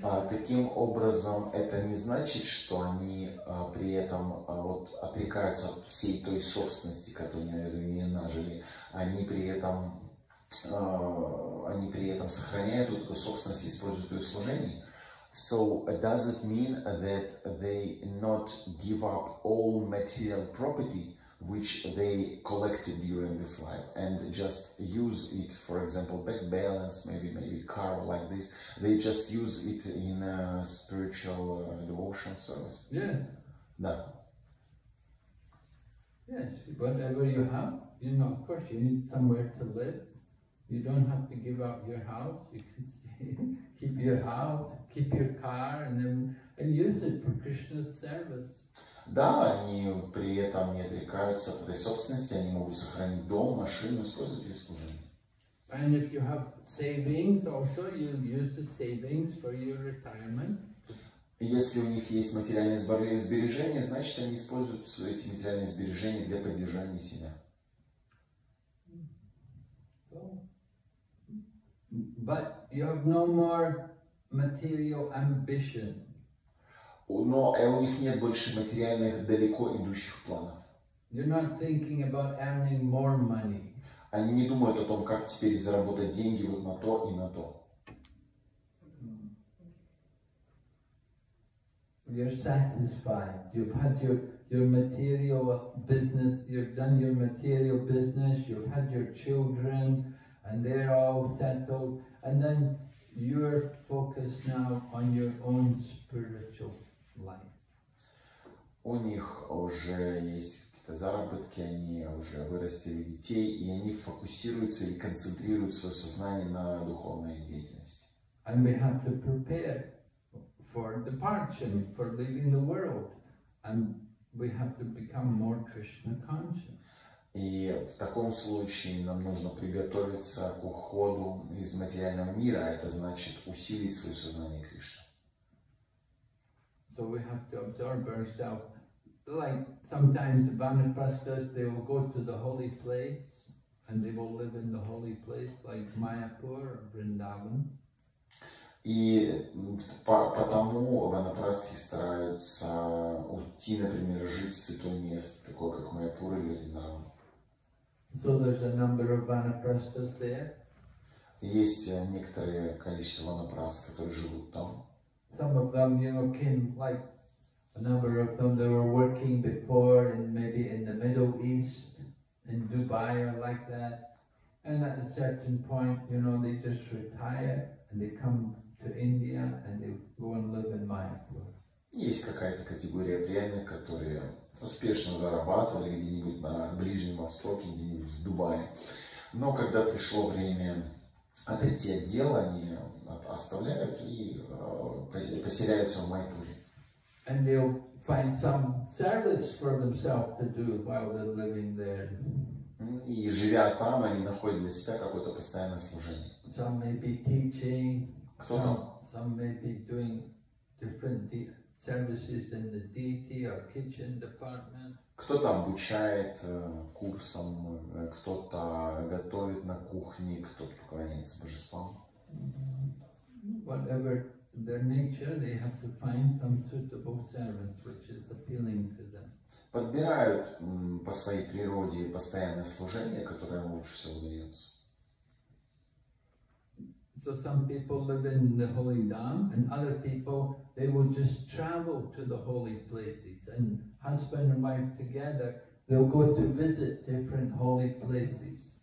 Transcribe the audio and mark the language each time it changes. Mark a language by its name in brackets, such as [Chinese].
[Russian] Таким образом, это не значит, что они при этом вот отрекаются от всей той собственности, которую они нажили, они при этом сохраняют эту собственность и используют ее в служении. [English] So does it mean that they not give up all material property which they collected during this life and just use it, for example, bank balance, maybe car like this, they just use it in a spiritual devotion service? Yes. No. Yes, whatever you have, you know, of course you need somewhere to live. You don't have to give up your house, you can stay, keep your car and use it for Krishna's service. [Russian] Да, они при этом не отрекаются от этой собственности, они могут сохранить дом, машину, использовать ее в служении. [English] And if you have savings also, you'll use the savings for your retirement. [Russian] Если у них есть материальные сбережения, значит они используют свои эти материальные сбережения для поддержания себя. [English] So, but you have no more material ambition. [Russian] Но у них нет больше материальных далеко идущих планов. [English] You're not thinking about earning more money. [Russian] Они не думают о том, как теперь заработать деньги вот на то и на то. [English] You're satisfied. You've had your material business. You've done your material business. You've had your children, and they're all settled. And then you're focused now on your own spiritual. [Russian] У них уже есть какие-то заработки, они уже вырастили детей, и они фокусируются и концентрируют свое сознание на духовной деятельности. [English] And we have to prepare for departure, for leaving the world, and we have to become more Krishna conscious. [Russian] И в таком случае нам нужно приготовиться к уходу из материального мира, это значит усилить свое сознание Кришны. [English] So we have to absorb ourselves. Like sometimes the vanaprastas, they will go to the holy place and they will live in the holy place, like Mayapur or Vrindavan. [Russian] И потому ванапрасты стараются уйти, например, жить в святое место, такое как Майяпур или Вриндаван. [English] So there's a number of vanaprastas there. [Russian] Есть некоторое количество ванапрастов, которые живут там. [English] Some of them, you know, came like a number of them. They were working before, and maybe in the Middle East, in Dubai or like that. And at a certain point, you know, they just retire and they come to India and they go and live in Mayapur. [Russian] Есть какая-то категория преданных, которые успешно зарабатывали где-нибудь на Ближнем Востоке, где-нибудь в Дубае. Но когда пришло время отойти от дела, они оставляют и поселяются в Майпуре. [English] And they'll find some service for themselves to do while they're living there. [Russian] И живя там, они находят для себя какое-то постоянное служение. [English] Some may be teaching. [Russian] Кто там? [English] Some may be doing different services in the deity or kitchen department. [Russian] Кто-то обучает курсам, кто-то готовит на кухне, кто-то поклоняется божествам. [English] Whatever their nature, they have to find some suitable service which is appealing to them. [Russian] Подбирают по своей природе постоянное служение, которое лучше всего удается. [English] So some people live in the holy dham, and other people they will just travel to the holy places, and husband and wife together they'll go to visit different holy places.